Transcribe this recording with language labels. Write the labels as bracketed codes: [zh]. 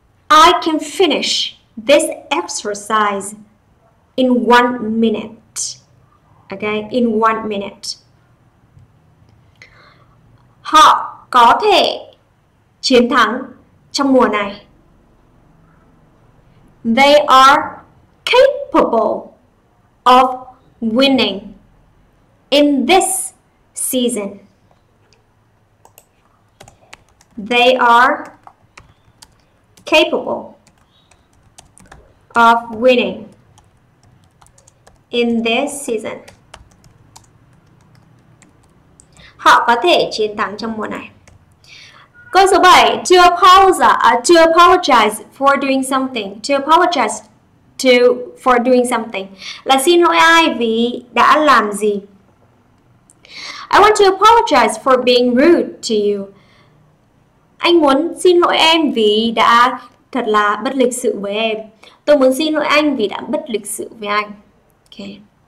[en] I can finish this exercise in 1 minute. Okay, in 1 minute. [vi] Họ có thể chiến thắng trong mùa này. [en] They are capable of winning in this season. They are capable of winning in this season. [vi] Họ có thể chiến thắng trong mùa này. Câu số 7, [en] to apologize for doing something. To apologize for doing something. [vi] Là xin lỗi ai vì đã làm gì? [en] I want to apologize for being rude to you. [vi] Anh muốn xin lỗi em vì đã thật là bất lịch sự với em. Tôi muốn xin lỗi anh vì đã bất lịch sự với anh. Okay.